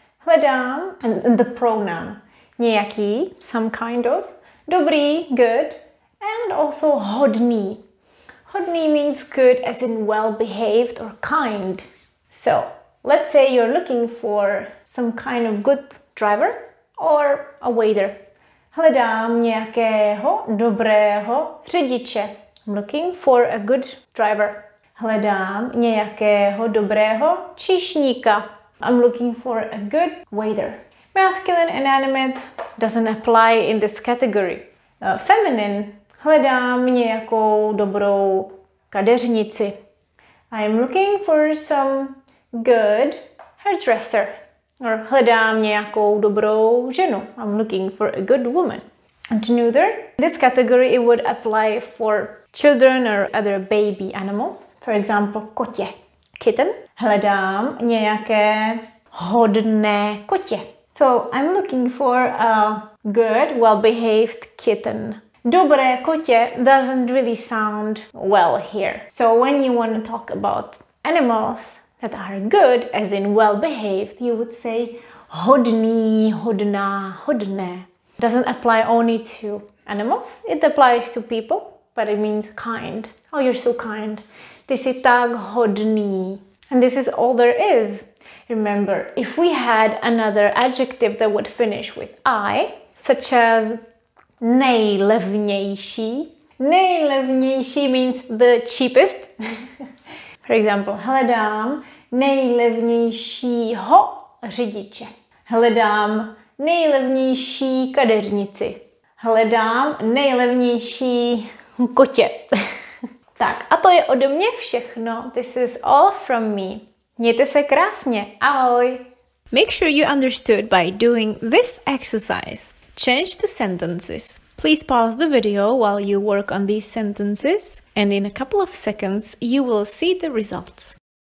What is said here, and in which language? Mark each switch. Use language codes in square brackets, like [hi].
[en] Hledám, and the pronoun. Nějaký, some kind of. Dobrý, good. And also hodný. Hodný means good as in well-behaved or kind. So, let's say you're looking for some kind of good driver or a waiter. [cs] Hledám nějakého dobrého řidiče. [en] I'm looking for a good driver. [cs] Hledám nějakého dobrého číšníka. [en] I'm looking for a good waiter. Masculine inanimate doesn't apply in this category. Feminine. [cs] Hledám nějakou dobrou kadeřnici. [en] I'm looking for some good hairdresser. [cs] Or hledám nějakou dobrou ženu. [en] I'm looking for a good woman. And neuter. This category it would apply for children or other baby animals. For example, kotě. Kitten. [cs] Hledám nějaké hodné kotě. [en] So I'm looking for a good, well-behaved kitten. Dobré kotě doesn't really sound well here. So when you want to talk about animals that are good, as in well-behaved, you would say hodný, hodná, hodné. Doesn't apply only to animals. It applies to people, but it means kind. Oh, you're so kind. [cs] Ty jsi tak hodný. [en] And this is all there is. Remember, if we had another adjective that would finish with I, such as nejlevnější. Nejlevnější means the cheapest. For example, [cs] hledám nejlevnějšího řidiče. Hledám nejlevnější kadeřnici. Hledám nejlevnější kotě. Tak a to je ode mě všechno. [en] This is all from me. [cs] Mějte se krásně. Ahoj. [en] Make sure you understood by doing this exercise. Change the sentences. Please pause the video while you work on these sentences, and in a couple of seconds you will see the results.